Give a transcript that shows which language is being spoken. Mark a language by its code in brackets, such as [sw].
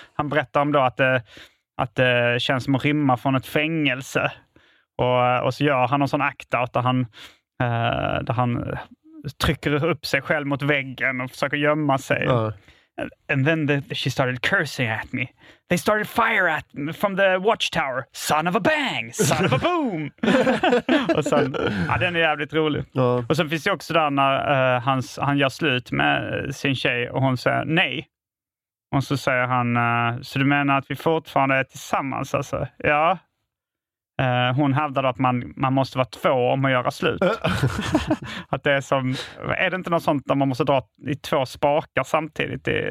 [sv] Han berättar om då att det känns som att rymma från ett fängelse, och så gör han en sån act out där han trycker upp sig själv mot väggen och försöker gömma sig. [en] And then she started cursing at me. They started fire at me from the watchtower. Son of a bang! Son of a boom! [sv] Och sen, ja, den är jävligt rolig. Ja. Och sen finns det också där när han gör slut med sin tjej och hon säger nej. Och så säger han, så du menar att vi fortfarande är tillsammans? Alltså, ja. Hon hävdade att man måste vara två om att göra slut. Att det är som, är det inte något sånt där man måste dra i två spakar samtidigt?